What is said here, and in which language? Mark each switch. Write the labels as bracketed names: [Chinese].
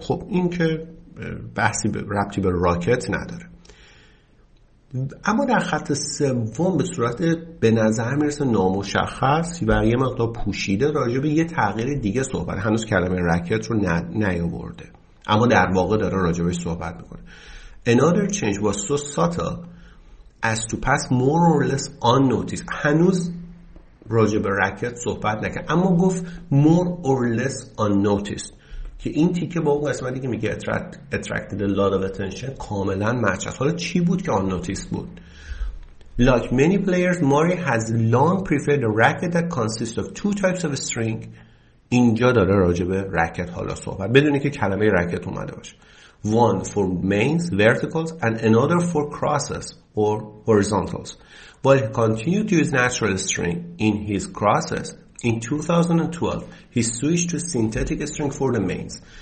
[Persian] خب این که بحثی ربطی به راکت نداره. اما در خط سوم به صورت به نظر میرسه نامشخص و یه مقدار پوشیده راجع به یه تغییر دیگه صحبت، هنوز کلمه راکت رو نیاورده اما در واقع داره راجع بهش صحبت میکنه. [English] Another change was so subtle as to pass more or less unnoticed. [Persian] هنوز راجع به رکت صحبت نکرد اما گفت [English] more or less unnoticed، [Persian] که این تیکه با اون قسمتی که میگه [English] attracted a lot of attention [Persian] کاملا مچ است. حالا چی بود که [English] unnoticed [Persian] بود؟ [English] Like many players, Murray has long preferred a racket that consists of two types of string. [Persian] اینجا داره راجع به رکت حالا صحبت، بدونی که کلمه رکت اومده باشه. [English] One for mains, verticals, and another for crosses or horizontals. While he continued to use natural string in his crosses, in 2012 he switched to synthetic string for the mains.